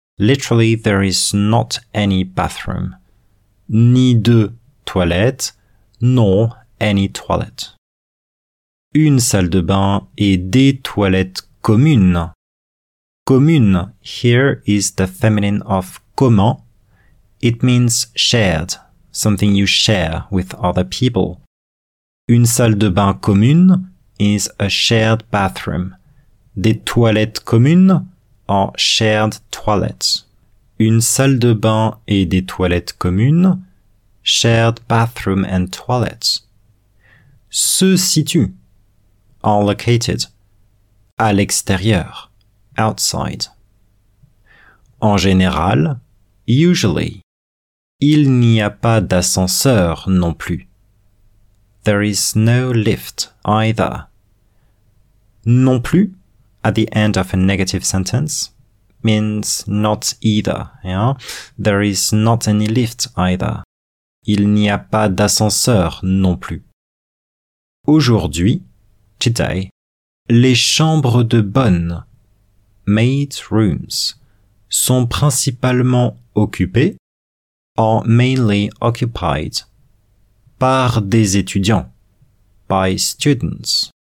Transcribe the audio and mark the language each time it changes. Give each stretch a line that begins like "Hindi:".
English: Literally, there is not any bathroom.
French: Ni de toilette,
English: nor any toilet.
French: Une salle de bain et des toilettes communes.
English: Commune here is the feminine of commun. It means shared, something you share with other people.
French: Une salle de bain commune
English: is a shared bathroom.
French: Des toilettes communes
English: are shared toilets.
French: Une salle de bain et des toilettes communes,
English: shared bathroom and toilets.
French: Se situe,
English: are located,
French: à l'extérieur,
English: outside.
French: En général,
English: usually,
French: il n'y a pas d'ascenseur non plus.
English: There is no lift either. Non plus, at the end of a negative sentence, means not either. Yeah? There is not any lift either.
French: Il n'y a pas d'ascenseur non plus. Aujourd'hui,
English: today,
French: les chambres de bonne,
English: maid rooms,
French: sont principalement occupées,
English: are mainly occupied,
French: par des étudiants,
English: by students.